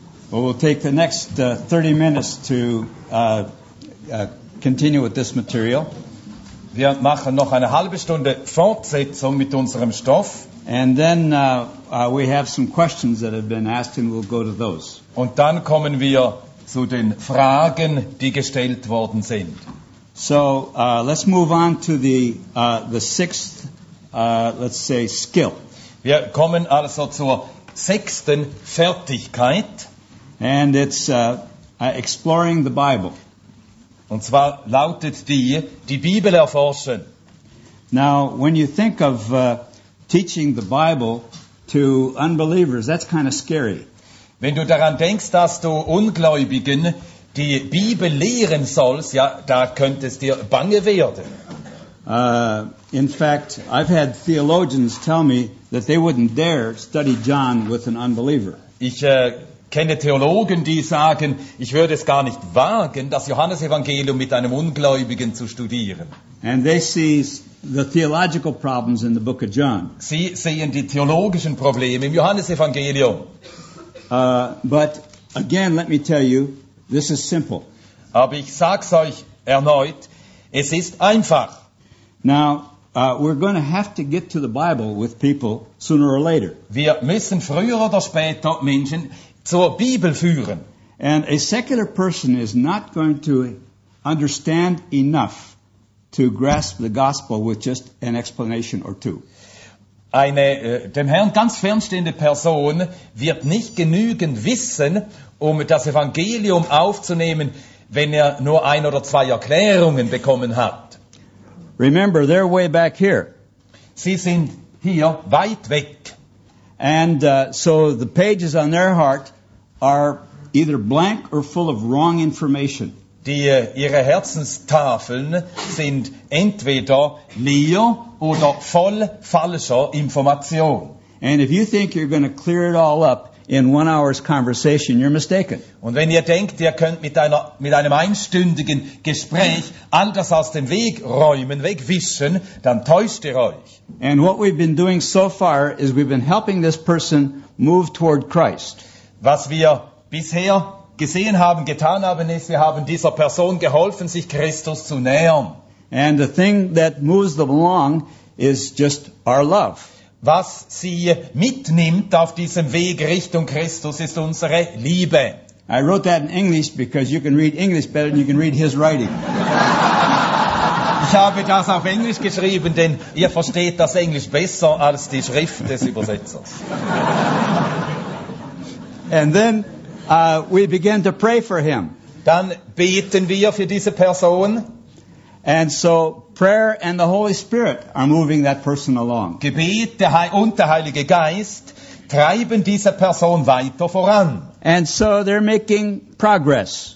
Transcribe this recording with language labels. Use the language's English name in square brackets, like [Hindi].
[English] Well, we'll take the next 30 minutes to continue with this material. [German] Wir machen noch eine halbe Stunde Fortsetzung mit unserem Stoff. [English] And then we have some questions that have been asked, and we'll go to those. [German] Und dann kommen wir zu den Fragen, die gestellt worden sind. [English] So let's move on to the sixth, let's say, skill. [German] Wir kommen also zur sechsten Fertigkeit. [English] And it's exploring the Bible. [German] Und zwar lautet die Bibel erforschen. [English] Now, when you think of teaching the Bible to unbelievers, that's kind of scary. [German] Wenn du daran denkst, dass du Ungläubigen die Bibel lehren sollst, ja, da könnte es dir bange werden. [English] In fact, I've had theologians tell me that they wouldn't dare study John with an unbeliever. [German] Ich kenne Theologen, die sagen, ich würde es gar nicht wagen, das Johannesevangelium mit einem Ungläubigen zu studieren. [English] And they see the theological problems in the book of John. [German] Sie sehen die theologischen Probleme im Johannesevangelium. [English] But again, let me tell you, this is simple. [German] Aber ich sag's euch erneut, es ist einfach. [English] Now, we're going to have to get to the Bible with people sooner or later. [German] Wir müssen früher oder später Menschen zur Bibel führen. [English] And a secular person is not going to understand enough to grasp the gospel with just an explanation or two. [German] Eine dem Herrn ganz fernstehende Person wird nicht genügend wissen, um das Evangelium aufzunehmen, wenn er nur ein oder zwei Erklärungen bekommen hat. [English] Remember, they're way back here. [German] Sie sind hier weit weg. [English] And so the pages on their heart are either blank or full of wrong information. [German] Ihre Herzenstafeln sind entweder leer oder voll falscher Information. [English] And if you think you're going to clear it all up in 1 hour's conversation, you're mistaken. [German] Und wenn ihr denkt, ihr könnt mit einem einstündigen Gespräch all das aus dem Weg räumen, wegwischen, dann täuscht ihr euch. [English] And what we've been doing so far is we've been helping this person move toward Christ. [German] Was wir bisher gesehen haben, getan haben, ist, wir haben dieser Person geholfen, sich Christus zu nähern. [English] And the thing that moves them along is just our love. [German] Was sie mitnimmt auf diesem Weg Richtung Christus ist unsere Liebe. [English] I wrote that in English because you can read English better than you can read his writing. [German] Ich habe das auf Englisch geschrieben, denn ihr versteht das Englisch besser als die Schrift des Übersetzers. [English] And then we begin to pray for him. [German] Dann beten wir für diese Person. [English] And so prayer and the Holy Spirit are moving that person along. [German] Gebet und der Heilige Geist treiben diese Person weiter voran. [English] And so they're making progress.